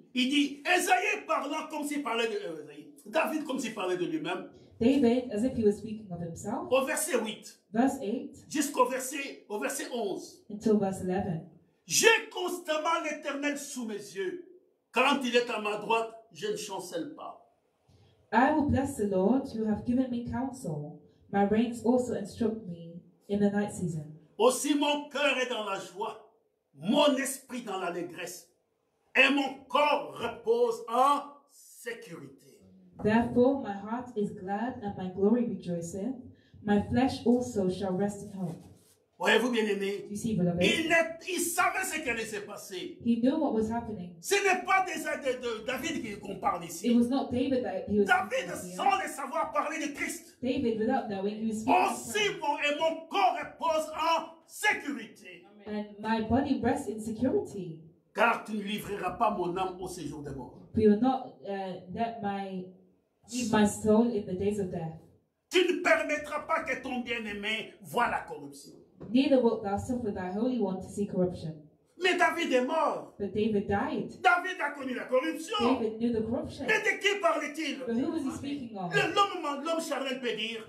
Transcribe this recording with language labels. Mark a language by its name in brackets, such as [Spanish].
[French] Il dit, Esaïe parlant comme s'il parlait de Esaïe. David comme s'il parlait de lui-même. [English] David, as if he was speaking of himself. [French] Au verset 8. [English] Verse 8. [French] Jusqu'au verset 11. [English] Until verse 11. [French] J'ai constamment l'Éternel sous mes yeux. Quand il est à ma droite, je ne chancelle pas. [English] I will bless the Lord who have given me counsel. My reins also instruct me in the night season. [French] Aussi mon cœur est dans la joie, mon esprit dans l'allégresse, et mon corps repose en sécurité. [English] Therefore, my heart is glad and my glory rejoiceth. My flesh also shall rest in hope. [French] Voyez-vous bien aimé? [English] You see, beloved? [French] Il savait ce qui allait se passer. [English] He knew what was happening. [French] Ce n'est pas déjà de David qu'on parle ici. [English] It was not David that he was [French] David sans le savoir parler de Christ. [English] David without knowing he was speaking. [French] Aussi et mon corps repose en sécurité. [English] And my body rests in security. [French] Car tu ne livreras pas mon âme au séjour des morts. [English] We will not let my soul in the days of death. [French] Tu ne permettras pas que ton bien-aimé voie la corruption. [English] Neither wilt thou suffer thy holy one to see corruption. [French] Mais David est mort. [English] But David died. [French] David a connu la corruption. [English] David knew the corruption. [French] Mais de qui parlait-il? [English] But who was he speaking of? [French] L'homme charnel peut dire.